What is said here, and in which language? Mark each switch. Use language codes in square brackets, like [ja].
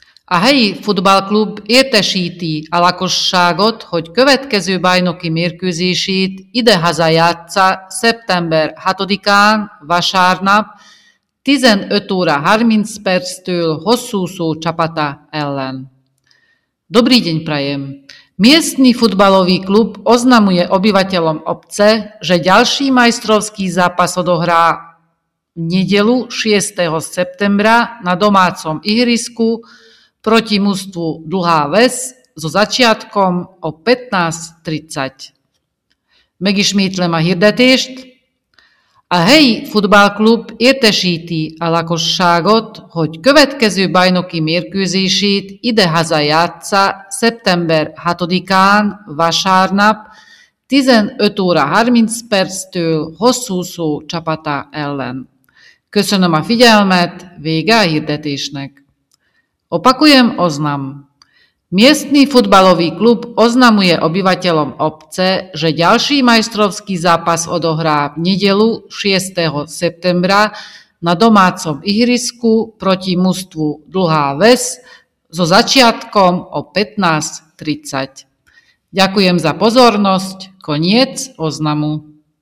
[hu] A helyi futballklub értesíti a lakosságot, hogy következő bajnoki mérkőzését idehaza játssza szeptember 6-án, vasárnap, 15 óra 30 perctől Hosszúszó csapata ellen. [sk] Dobrý deň prajem! Miestny futbalový klub oznamuje obyvateľom obce, že ďalší majstrovský zápas odohrá v nedeľu 6. septembra na domácom ihrisku proti mužstvu Dlhá Ves so začiatkom o 15:30. [hu] Megismétlem a hirdetést. A helyi futballklub értesíti a lakosságot, hogy következő bajnoki mérkőzését idehaza játssza szeptember 6-án, vasárnap, 15 óra 30 perctől Hosszúszó csapata ellen. Köszönöm a figyelmet, vége a hirdetésnek. [sk] Opakujem oznam. Miestny futbalový klub oznamuje obyvateľom obce, že ďalší majstrovský zápas odohrá v nedeľu 6. septembra na domácom ihrisku proti mužstvu Dlhá Ves so začiatkom o 15:30. Ďakujem za pozornosť. Koniec oznamu.